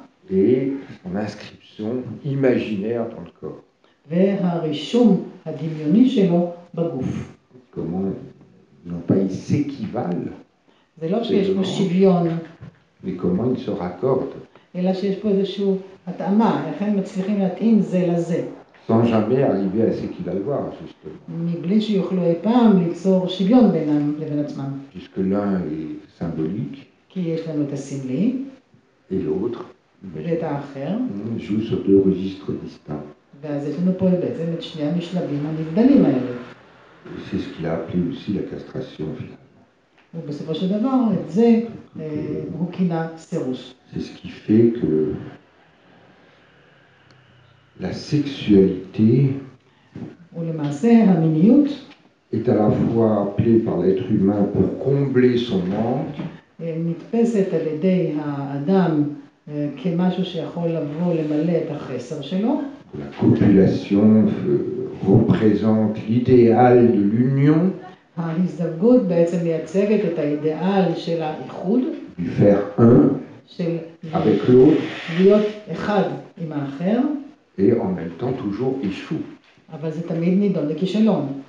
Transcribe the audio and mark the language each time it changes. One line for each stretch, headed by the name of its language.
French: Et son inscription imaginaire dans le corps.
Hebrew: והרישום הדמיוני שלו בגוף.
French: Comment non pas il s'équivale.
Hebrew: זה לא שיש פה שוויון.
French: Mais comment il se raccorde.
Hebrew: אלא שיש פה איזשהו התאמה, לכן מצליחים להתאים זה לזה.
French: Sans jamais arriver à s'équivaloir, justement.
Hebrew: מבלי שיוכלו אי פעם ליצור שוויון בינם לבין עצמם.
French: Puisque l'un est symbolique.
Hebrew: כי יש לנו את הסמלי.
French: Et l'autre.
Hebrew: ואת האחר.
French: Joue sur deux registres distincts.
Hebrew: ואז יש לנו פה בעצם את שני המשלבים הנבדלים האלה.
French: C'est ce qu'il a appelé aussi la castration finalement.
Hebrew: ובסופו של דבר, את זה הוא כינה סירוס.
French: C'est ce qui fait que la sexualité
Hebrew: ולמעשה, המיניות
French: est à la fois appelée par l'être humain pour combler son manque
Hebrew: נתפסת על ידי האדם כמשהו שיכול לבוא למלא את החסר שלו.
French: La copulation représente l'idéal de l'union.
Hebrew: ההזדווגות בעצם מייצגת את האידיאל של האיחוד.
French: Du faire un
Hebrew: של
French: avec l'autre.
Hebrew: להיות אחד עם האחר.
French: Et en même temps toujours échoue.
Hebrew: אבל זה תמיד נידון לכישלון.